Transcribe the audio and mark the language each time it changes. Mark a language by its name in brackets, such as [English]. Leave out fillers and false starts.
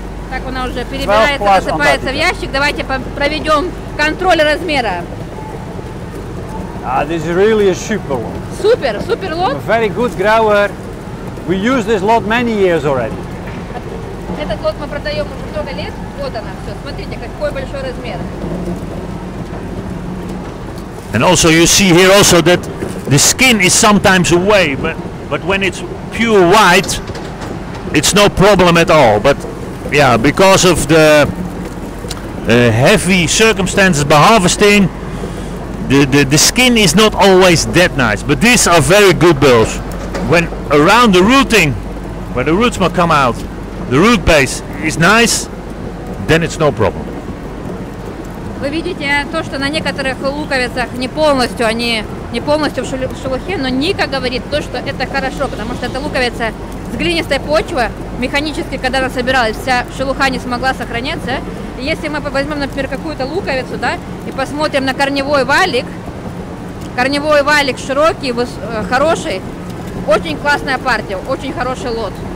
[Russian] Так она уже перебирается, засыпается в ящик. Давайте проведем контроль размера. [English] This is really a super one. Super, super lot. A very good grower. We use this lot many years already. [Russian] Этот лот мы продаем уже много лет. Вот она, все. Смотрите, какой большой размер. [English] And also you see here also that the skin is sometimes away, but when it's pure white, it's no problem at all. But yeah, because of the heavy circumstances by harvesting, the skin is not always that nice. But these are very good bills. When around the rooting, where the roots will come out, the root base is nice, then it's no problem. [Russian] Вы видите то, что на некоторых луковицах не полностью, они не полностью в шелухе, но Ника говорит то, что это хорошо, потому что эта луковица с глинистой почвы, механически, когда она собиралась, вся шелуха не смогла сохраняться. И если мы возьмем, например, какую-то луковицу, да, и посмотрим на корневой валик широкий, хороший, очень классная партия, очень хороший лот.